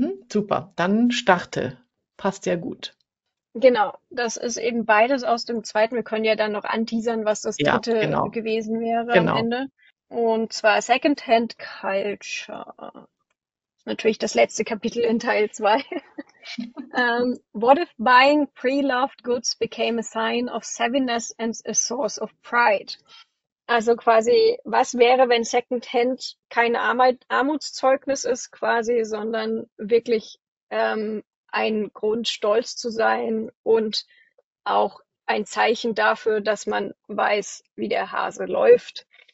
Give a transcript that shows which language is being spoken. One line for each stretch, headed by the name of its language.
German: Super, dann starte. Passt ja gut. Genau, das ist eben beides aus dem zweiten. Wir können ja dann noch anteasern, was das Ja, dritte gewesen wäre am genau. Ende. Und zwar Second-Hand Culture. Natürlich das letzte Kapitel in Teil 2.
English: What if buying pre-loved goods became a sign of savviness and a source of pride?
German: Also quasi, was wäre, wenn Secondhand kein Armutszeugnis ist, quasi, sondern wirklich ein Grund, stolz zu sein und auch ein Zeichen dafür, dass man weiß, wie der Hase läuft.